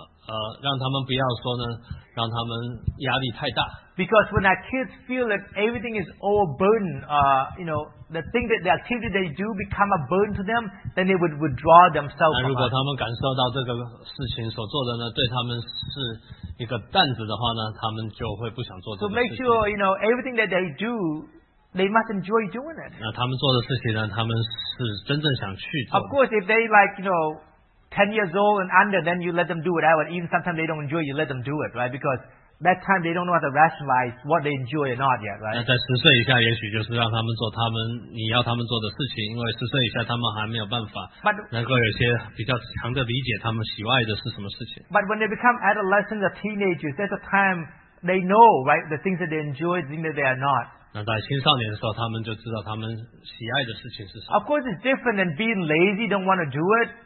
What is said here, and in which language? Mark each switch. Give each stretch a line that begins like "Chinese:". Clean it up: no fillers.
Chinese: 那我们要有一个让他们不要说呢, 让他们压力太大.
English: Because when our kids feel that everything is overburdened, you know, the activity they do become a burden to them, then they would withdraw themselves.
Chinese: 那如果他们感受到这个事情所做的呢, 对他们是 一个担子的话呢, 他们就会不想做这个事情。
English: So make sure, you know, everything that they do, they must enjoy doing it.
Chinese: 那他们做的事情呢, 他们是真正想去做的。
English: Of course, if they like, you know, 10 years old and under, then you let them do whatever. Even sometimes they don't enjoy, you let them do it, right? Because that time they don't know how to rationalize what they enjoy or not yet, right?
Chinese: 那在10岁以下也许就是让他们做他们你要他们做的事情, 因为10岁以下他们还没有办法能够有些比较强的理解他们喜爱的是什么事情。
English: But when they become adolescents or teenagers, there's a time they know, right, the things that they enjoy, the things that they are not.
Chinese: 那在青少年的时候他们就知道他们喜爱的事情是什么。
English: Of course, it's different than being lazy, don't want to do it.